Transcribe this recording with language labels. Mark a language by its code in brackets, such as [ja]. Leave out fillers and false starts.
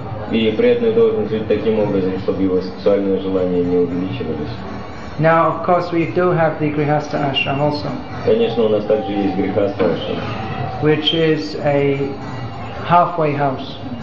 [ru] И преданный должен жить таким образом, чтобы его сексуальные желания не увеличивались. [en] Now, of course, we do have the Grihastha Ashram also. [ru] Конечно, у нас также есть Грихастха Ашрам. [en] Which is a halfway house.